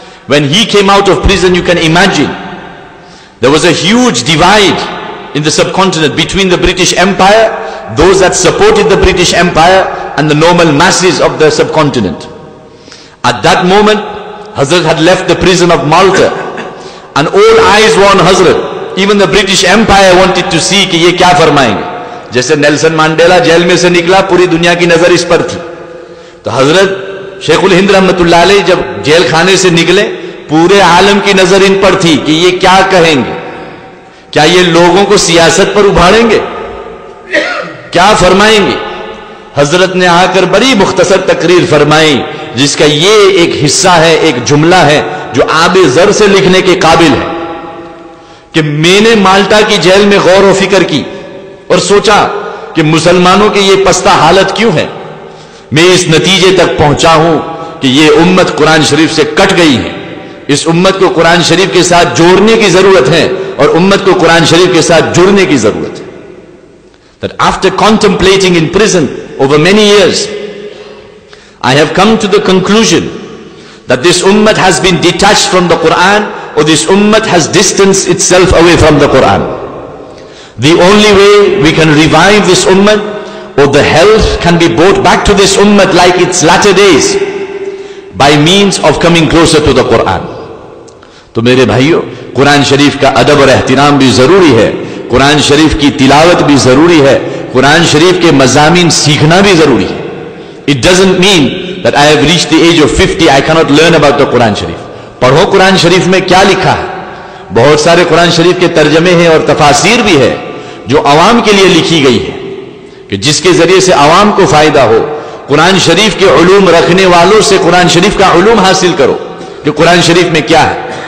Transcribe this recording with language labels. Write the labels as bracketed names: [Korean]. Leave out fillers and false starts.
[English] When he came out of prison, you can imagine there was a huge divide in the subcontinent between the British Empire, those that supported the British Empire, and the normal masses of the subcontinent. At that moment, Hazrat had left the prison of Malta, and all eyes were on Hazrat. Even the British Empire wanted to see [Urdu] ki ye kya farmayenge. Jaise Nelson Mandela jail mein se nikla, puri duniya ki nazar is par thi. To Hazrat شیخ الہند رحمت اللہ علیہ جب jail خانے سے نکلے, پورے عالم کی نظر ان پر تھی کہ یہ کیا کہیں گے, کیا یہ لوگوں کو سیاست پر ابھاریں گے, کیا فرمائیں گے. حضرت نے آ کر بڑی مختصر تقریر فرمائی, جس کا یہ ایک حصہ ہے, ایک جملہ ہے جو آب زر سے لکھنے کے قابل ہے, کہ میں نے مالٹا کی جیل میں غور و فکر کی اور سوچا کہ مسلمانوں کی یہ پستہ حالت کیوں ہے. میں اس نتیجے تک پہنچا ہوں کہ یہ امت قرآن شریف سے کٹ گئی ہے, اس امت کو قرآن شریف کے ساتھ جوڑنے کی ضرورت ہے, اور امت کو قرآن شریف کے ساتھ جڑنے کی ضرورت ہے. [English] That after contemplating in prison over many years, I have come to the conclusion that this ummat has been detached from the Quran, or this ummat has distanced itself away from the Quran. The only way we can revive this ummat, or the health can be brought back to this ummat like its latter days, by means of coming closer to the Quran. [Urdu] تو میرے بھائیو, قرآن شریف کا ادب اور احترام بھی ضروری ہے, قرآن شریف کی تلاوت بھی ضروری ہے, قرآن شریف کے مضامین سیکھنا بھی ضروری ہے. [English] It doesn't mean that I have reached the age of 50, I cannot learn about the Quran شریف. [Urdu] پڑھو قرآن شریف میں کیا لکھا ہے, بہت سارے قرآن شریف کے ترجمے ہیں اور تفاسیر بھی ہے جو عوام کے لیے لکھی گئی ہے, کہ جس کے ذریعے سے عوام کو فائدہ ہو. قرآن شریف کے علوم رکھنے والوں سے قرآن شریف کا علوم حاصل کرو کہ قرآن شریف میں کیا ہے.